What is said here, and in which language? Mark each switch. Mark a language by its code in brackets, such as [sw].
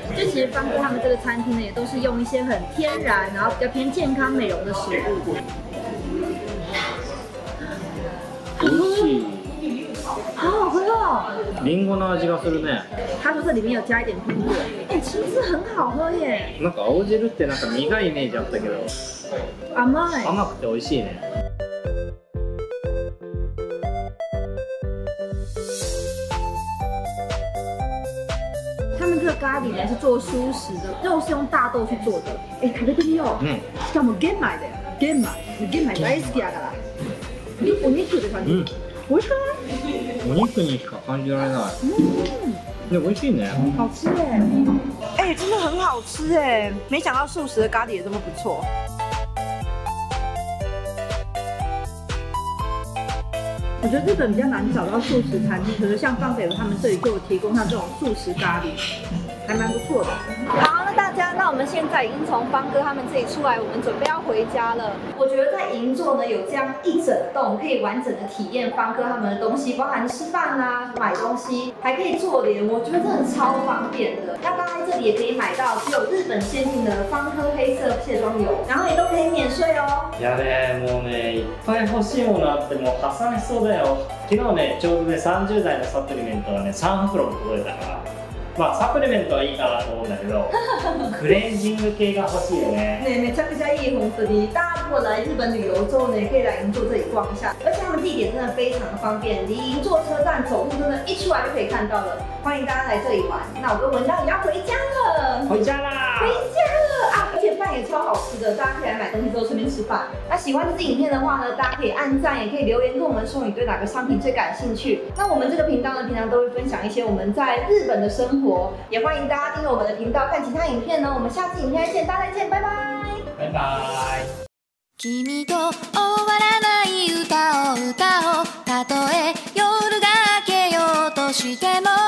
[zh] 就其实方哥他们这个餐厅呢，也都是用一些很天然，然后比较偏健康美容的食物。好好喝哦， [ja] 苹果的味がするね。 [zh] 他说这里面有加一点苹果。哎，青汁很好喝耶。 [ja] なんか青汁ってなんか苦いイメージあったけど。甘い。甘くて美味しいね。 [zh] 他们这个咖喱呢是做蔬食的，肉是用大豆去做的。 [ja] 哎，食べてみよう。うん。しかも玄米だよ。玄米。玄米大好きだから。お肉って感じ。うん。美味しくない？お肉にしか感じられない。うん、美味しいね。 [zh] 好吃耶。欸，真的很好吃耶，没想到素食的咖喱也这么不错。我觉得日本比较难找到素食餐厅，可是像放给他们这里就有提供像这种素食咖喱，还蛮不错的。好，那大家，那我们现在已经从方哥他们这里出来，我们准备要回家了。我觉得在银座呢，有这样一整栋可以完整的体验方哥他们的东西，包含吃饭啊、买东西，还可以坐连，我觉得真的超方便的。那大家在这里也可以买到只有日本限定的方哥黑色卸妆油，然后也都可以免税哦。 [ja] やべえ、もうね、いっぱい欲しいものあってもう破産しそうだよ。昨日ね、ちょうどね、30代のサプリメントがね、3袋も届いたから。まあサプリメントはいいかなと思うんだけど、クレンジング系が欲しいよね。ね、めちゃくちゃいい、本当に。 [zh] 大家如果来日本旅游之后呢，可以来银座这里逛一下，而且他们地点真的非常方便，离银座车站走路真的一出来就可以看到了。欢迎大家来这里玩。那我跟文章也要回家了，回家啦，回家了啊！而且饭也超好吃的，大家可以来买东西之后顺便吃饭。那喜欢这支影片的话呢，大家可以按赞，也可以留言跟我们说你对哪个商品最感兴趣。那我们这个频道呢，平常都会分享一些我们在日本的生活。也欢迎大家订阅我们的频道，看其他影片呢。我们下次影片再见，大家再见，拜拜，拜拜。 [ja] 君と終わらない歌を歌おう。たとえ夜が明けようとしても。